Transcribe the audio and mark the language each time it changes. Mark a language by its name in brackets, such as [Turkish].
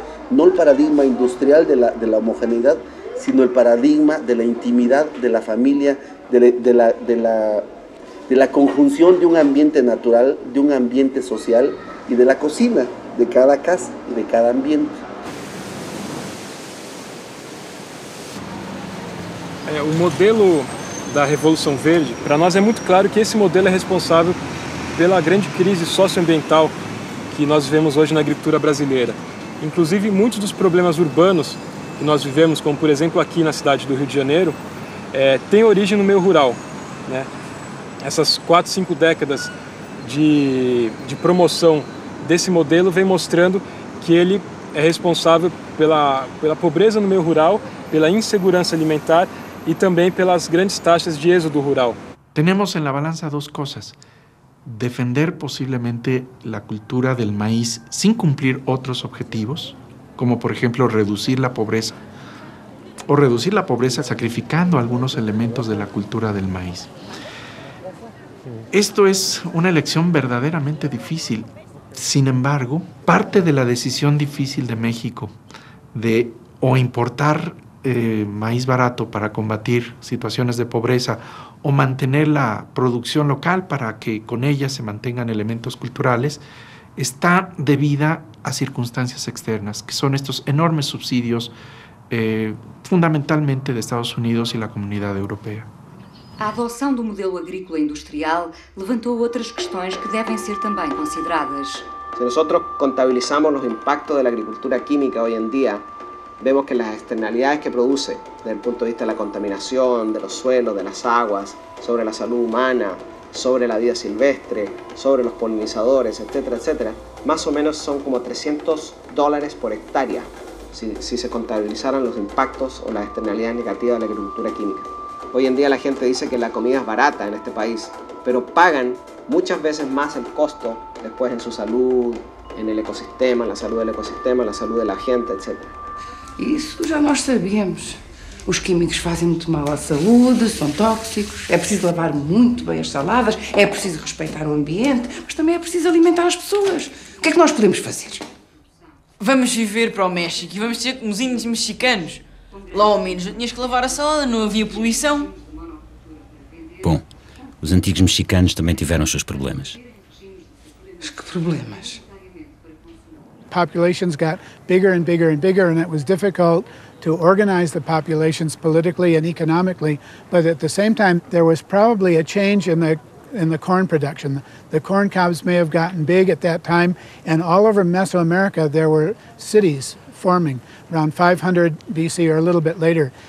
[Spanish] No el paradigma industrial de la homogeneidad, sino el paradigma de la intimidad, de la familia, de la conjunción de un ambiente natural, de un ambiente social y de la cocina, de cada casa y de cada ambiente. [Portuguese] O modelo da Revolução Verde, para nós é muito claro que esse modelo é responsável pela grande crise socioambiental que nós vivemos hoje na agricultura brasileira. Inclusive, muitos dos problemas urbanos que nós vivemos, como por exemplo aqui na cidade do Rio de Janeiro, têm origem no meio rural, né? Essas 4-5 décadas de promoção desse modelo vem mostrando que ele é responsável pela pobreza no meio rural, pela insegurança alimentar e também pelas grandes taxas de êxodo rural. Temos na balança duas coisas: defender possivelmente a cultura do maíz sem cumprir outros objetivos, como por exemplo reduzir a pobreza, ou reduzir a pobreza sacrificando alguns elementos da cultura do maíz. [Spanish] Esto es una elección verdaderamente difícil. Sin embargo, parte de la decisión difícil de México de o importar maíz barato para combatir situaciones de pobreza o mantener la producción local para que con ella se mantengan elementos culturales está debida a circunstancias externas, que son estos enormes subsidios fundamentalmente de Estados Unidos y la Comunidad Europea. [Portuguese] A adoção do modelo agrícola industrial levantou outras questões que devem ser também consideradas. [Spanish] Se nosotros contabilizamos los impactos de la agricultura química hoy en día, vemos que las externalidades que produce, desde el punto de vista de la contaminación, de los suelos, de las aguas, sobre la salud humana, sobre la vida silvestre, sobre los polinizadores, etcétera, etcétera, más o menos son como $300 por hectárea si se contabilizaran los impactos o las externalidades negativas de la agricultura química. Hoy en día la gente dice que la comida es barata en este país, pero pagan muchas veces más el costo después en su salud, en el ecosistema, en la salud del ecosistema, en la salud de la gente, etc. Eso ya nos sabíamos. Los químicos hacen mucho mal a la salud, son tóxicos. Es preciso lavar muy bien las saladas, es preciso respetar el ambiente, pero también es preciso alimentar a las personas. ¿Qué es que nos podemos hacer? [Portuguese] Vamos viver [Spanish] para el México y [Portuguese] vamos ser como los índios mexicanos. Lá ao menos não tinhas que lavar a salada, não havia poluição. Bom, os antigos mexicanos também tiveram os seus problemas. Mas que problemas? [English] Populations got bigger and bigger and bigger, and it was difficult to organize the populations politically and economically, but at the same time there was probably a change in the corn production. The corn cobs may have gotten big at that time, and all over Mesoamerica there were cities forming around 500 BC or a little bit later.